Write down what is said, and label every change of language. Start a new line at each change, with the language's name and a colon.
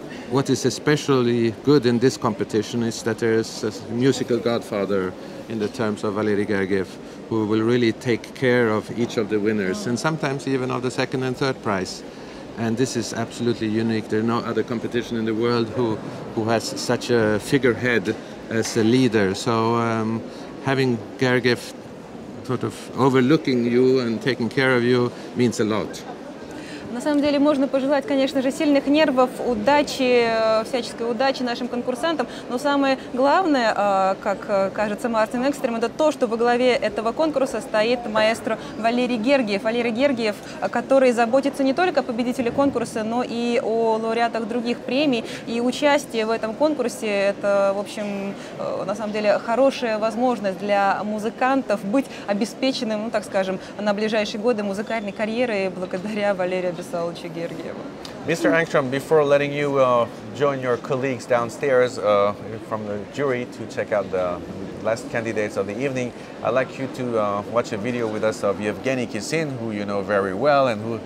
English: What is especially good in this competition is that there is a musical godfather in the terms of Valery Gergiev, who will really take care of each of the winners, and sometimes even of the second and third prize. And this is absolutely unique. There are no other competition in the world who has such a figurehead as a leader. So having Gergiev sort of overlooking you and taking care of you means a lot.
Russian: На самом деле можно пожелать, конечно же, сильных нервов, удачи, всяческой удачи нашим конкурсантам. Но самое главное, как кажется Мартин Экстрем, это то, что во главе этого конкурса стоит маэстро Валерий Гергиев. Валерий Гергиев, который заботится не только о победителе конкурса, но и о лауреатах других премий. И участие в этом конкурсе – это, в общем, на самом деле хорошая возможность для музыкантов быть обеспеченным, ну так скажем, на ближайшие годы музыкальной карьеры благодаря Валерию.
English: Mr. Engström, before letting you join your colleagues downstairs from the jury to check out the last candidates of the evening, I'd like you to watch a video with us of Yevgeny Kisin, who you know very well and who